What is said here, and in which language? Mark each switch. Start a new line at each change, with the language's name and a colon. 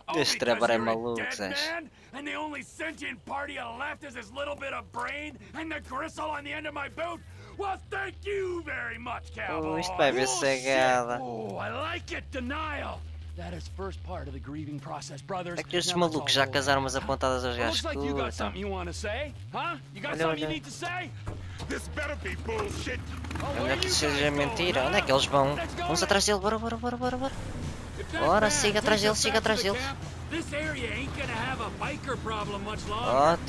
English: This Trevor is maluco, dead man, and the only sentient part you left is this little bit of brain and the gristle on the end of my boot? Well, thank you very much, cowboy. Oh, I like it, denial. That is first part of the grieving process, brothers.
Portuguese: É que estes malucos já com as armas apontadas aos gajos.
English: Looks like you got something you want to say, huh? You got something you need to say? This better be bullshit.
Portuguese: Onde é que seja mentira? Onde é que eles vão? Vamos atrás dele, bora. Bora, siga atrás dele.
English: This area ain't gonna have a biker problem much longer.